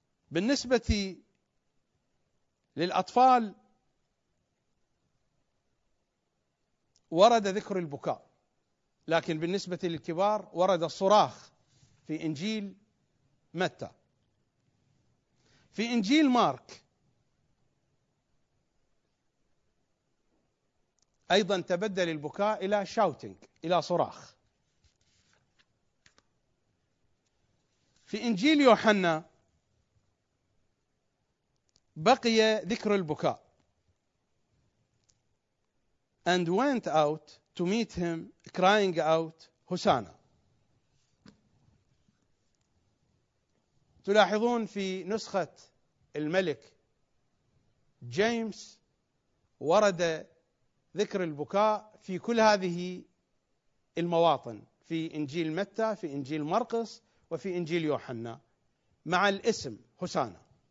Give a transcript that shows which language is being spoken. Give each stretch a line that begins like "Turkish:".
Arabic: بالنسبة للأطفال ورد ذكر البكاء، لكن بالنسبة للكبار ورد الصراخ في إنجيل متى. في إنجيل مارك أيضا تبدل البكاء إلى shouting، إلى صراخ. في إنجيل يوحنا بقي ذكر البكاء
English: and went out to meet him crying out Hosanna.
Arabic: تلاحظون في نسخة الملك جيمس ورد ذكر البكاء في كل هذه المواطن، في إنجيل متى، في إنجيل مرقس، وفي إنجيل يوحنا مع الاسم هوسانا.